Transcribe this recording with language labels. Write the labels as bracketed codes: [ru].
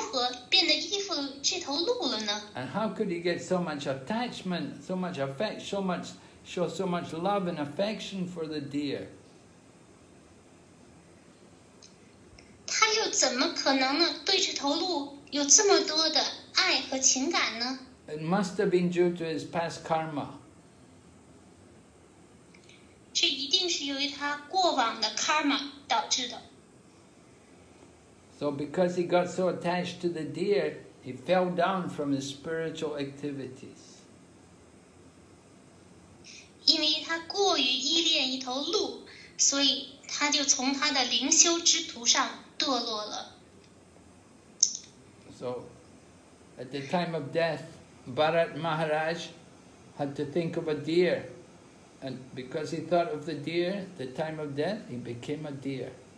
[en] And how could he get so much attachment, so much affection, show so much love and affection for the deer? [zh] 怎么可能呢,对这头鹿有这么多的爱和情感呢? [en] It must have been due to his past karma. [zh] 这一定是由于他过往的karma导致的。 [en] So because he got so attached to the deer, he fell down from his spiritual activities. [zh] 因为他过于依恋一头鹿，所以他就从他的灵修之途上堕落了。 [en] So, at the time of death, Bharat Maharaj had to think of a deer, and because he thought of the deer, the time of death, he became a deer.